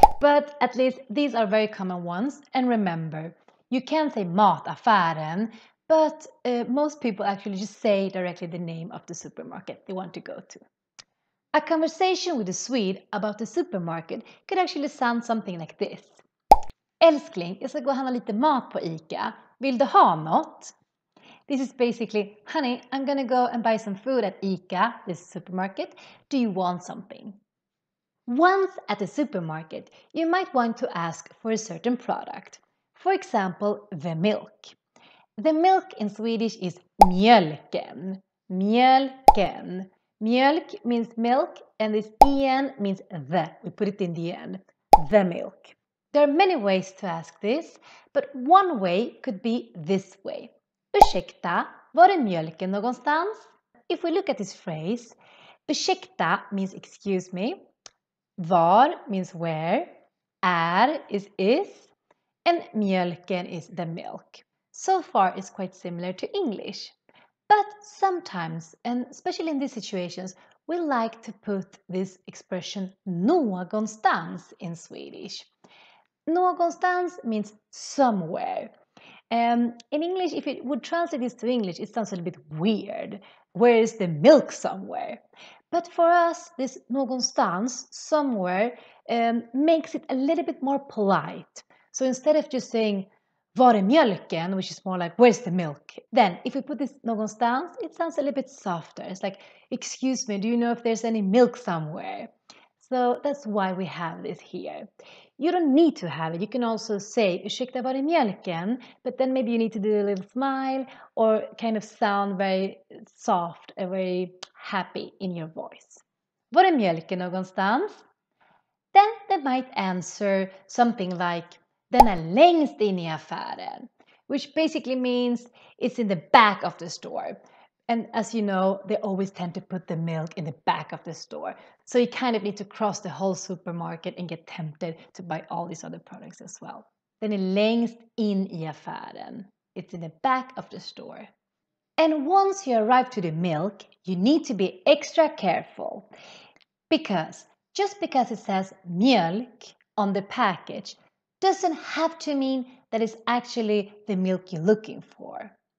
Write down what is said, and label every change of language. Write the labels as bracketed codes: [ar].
[en] But at least these are very common ones. And remember, you can say mataffären, but most people actually just say directly the name of the supermarket they want to go to. A conversation with a Swede about the supermarket could actually sound something like this. [sv] Älskling, jag ska gå och handla lite mat på ICA. Vill du ha något? [en] This is basically, honey, I'm gonna go and buy some food at ICA, this supermarket. Do you want something? Once at the supermarket, you might want to ask for a certain product. For example, the milk. The milk in Swedish is mjölken. Mjölken. Mjölk means milk, and this en means the. We put it in the end. The milk. There are many ways to ask this, but one way could be this way. [sv] Ursäkta, var är mjölken någonstans? [en] If we look at this phrase, ursäkta means excuse me. Var means where. Är is if. And mjölken is the milk. So far, it's quite similar to English. But sometimes, and especially in these situations, we like to put this expression någonstans in Swedish. Någonstans means somewhere. In English, if you would translate this to English, it sounds a little bit weird. Where is the milk somewhere? But for us, this någonstans, somewhere, makes it a little bit more polite. So instead of just saying, var är mjölken, which is more like, where's the milk? Then, if we put this någonstans, it sounds a little bit softer. It's like, excuse me, do you know if there's any milk somewhere? So that's why we have this here. You don't need to have it. You can also say, [sv] ursäkta, var är mjölken? [en] But then maybe you need to do a little smile or kind of sound very soft and very happy in your voice. [sv] Var är mjölken någonstans? [en] Then they might answer something like, [sv] den är längst in I affären, [en] which basically means it's in the back of the store. And as you know, they always tend to put the milk in the back of the store. So you kind of need to cross the whole supermarket and get tempted to buy all these other products as well. [sv] Den är längst in I affären. [en] It's in the back of the store. And once you arrive to the milk, you need to be extra careful. Because just because it says mjölk on the package, doesn't have to mean that it's actually the milk you're looking for.